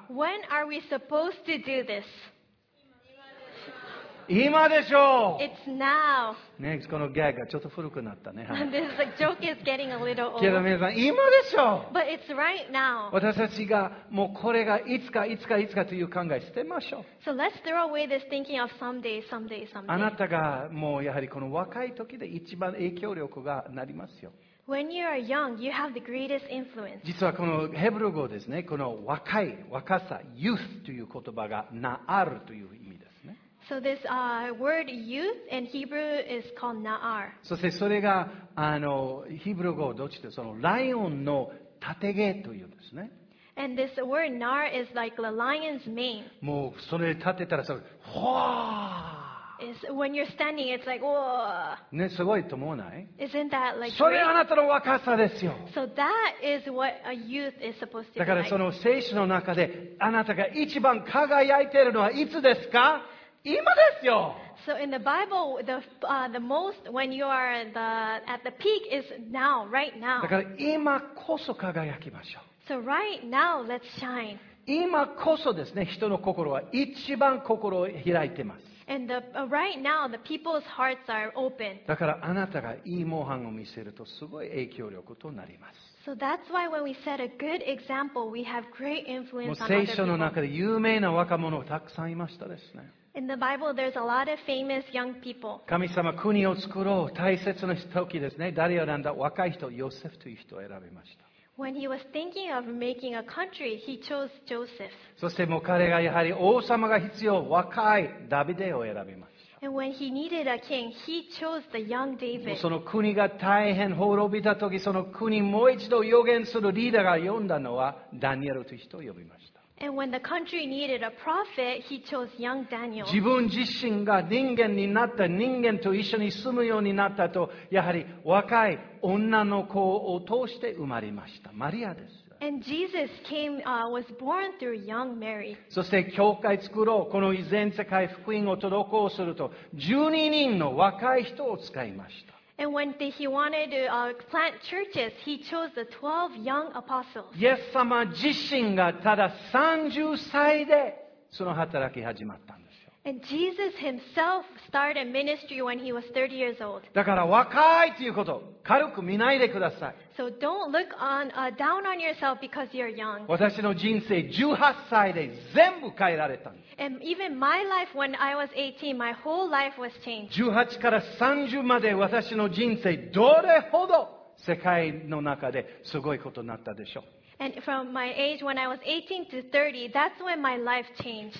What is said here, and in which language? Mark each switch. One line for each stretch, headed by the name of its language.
English: When are we supposed to do this?
Japanese: 今でしょう。
English: It's now.
Japanese: ね、このギャグがちょっと古くなったね。
English: This joke is getting a little old.
Japanese: けど皆さん、今でしょう。
English: But it's right now.
Japanese: 私たちがもうこれがいつかいつかいつかという考え捨てましょう。
English: So let's throw away this thinking of someday, someday, someday.
Japanese: あなたがもうやはりこの若い時で一番影響力がなりますよ。
English: When you are young, you have the greatest influence.
Japanese: 実はこのヘブル語ですね、この若い、若さ、youth という言葉がなあるという意味です。
English: So this word youth in Hebrew is called na'ar.
Japanese: そしてそれがヘブル語どっちでそのライオンの盾毛というんですね。
English: And this word na'ar is like the lion's mane.
Japanese: もうそれ立てたらそれ、ほ
English: ー。 Is when you're standing, it's like, whoa.
Japanese: ね、すごいと思わない？
English: Isn't that like?
Japanese: それあなたの若さですよ。
English: So that is what a youth is supposed to be like.
Japanese: だからその聖書の中であなたが一番輝いているのはいつですか？今ですよ。
English: So in the Bible, the most when you are at the peak is now, right now.
Japanese: だから今こそ輝きましょう。
English: So right now, let's shine.
Japanese: 今こそですね、人の心は一番心を開いてます。
English: And right now, the people's hearts are open.
Japanese: だからあなたがいい模範を見せるとすごい影響力となります。
English: So that's why when we set a good example, we have great influence on other people.
Japanese: 聖書の中で有名な若者たくさんいましたですね。
English: In the Bible, there's a lot of famous young people.
Japanese: 神様、国を作ろう。大切な時ですね。誰を選んだ？若い人、ヨセフという人を選びました。
English: When he was thinking of making a country, he chose Joseph.
Japanese: そしてもう彼がやはり王様が必要、若いダビデを選びました。
English: And when he needed a king, he chose the young David.
Japanese: もうその国が大変滅びた時、その国もう一度予言するリーダーが呼んだのはダニエルという人を呼びました。
English: And when the country needed a prophet, he chose young Daniel.
Japanese: 自分自身が人間になった、人間と一緒に住むようになったと、やはり若い女の子を通して生まれました。マリアです。
English: And Jesus came, was born through young Mary.
Japanese: そして教会作ろう。この全世界福音を届こうすると、12人の若い人を使いました。
English: And when he wanted to plant churches, he chose the 12 young apostles.
Japanese: イエス様自身がただ30歳でその働き始まったんですよ。
English: And Jesus himself started ministry when he was 30 years old.
Japanese: だから若いということ、軽く見ないでください。
English: So don't look on, down on yourself because you're young.
Japanese: 私の人生18歳で全部変えられたんです。
English: And even my life when I was 18, my whole life was changed.
Japanese: 18から30まで私の人生どれほど世界の中ですごいことになったでしょう。
English: And from my age when I was 18 to 30, that's when my life changed.